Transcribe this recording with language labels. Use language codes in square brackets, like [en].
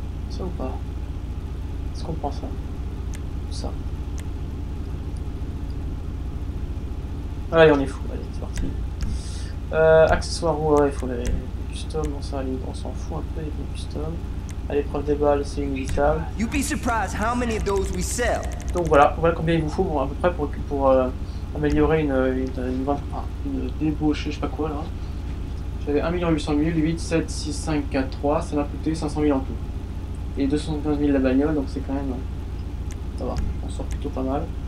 [fr] Ça ou pas? Est-ce qu'on prend ça? Tout ça. Allez, on est fou, allez, c'est parti. Accessoires ou ouais, il faut les custom, on s'en fout un peu les custom. À l'épreuve des balles, c'est inévitable. [en] You'd be surprised how many of those we sell. [fr] Donc voilà, voilà combien il vous faut à peu près pour améliorer une débauchée, je sais pas quoi là. J'avais 1 800 000, 8, 7, 6, 5, 4, 3, ça m'a coûté 500 000 en tout. Et 215 000 la bagnole, donc c'est quand même. Ça va, on sort plutôt pas mal.